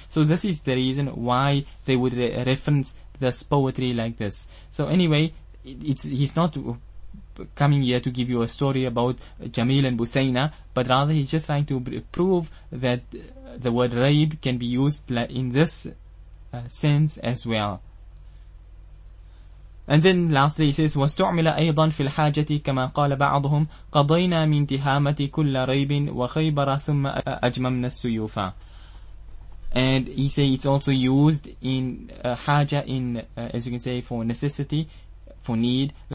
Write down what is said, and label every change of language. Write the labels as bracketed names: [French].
[English] So this is the reason why they would reference this poetry like this. So anyway, he's not coming here to give you a story about Jamil and Busaina, but rather he's just trying to prove that the word raib can be used in this sense as well. And then lastly he says, [Arabic] وَاسْتُعْمِلَ أَيْضًا فِي الْحَاجَةِ كَمَا قَالَ بَعْضُهُمْ قَضَيْنَا مِنْ تِهَامَةِ كُلَّ رَيْبٍ وَخَيْبَرَ ثُمَّ أَجْمَمْنَا السُّيُوفَ. [English] And he say it's also used in haja, in as you can say, for necessity, for need.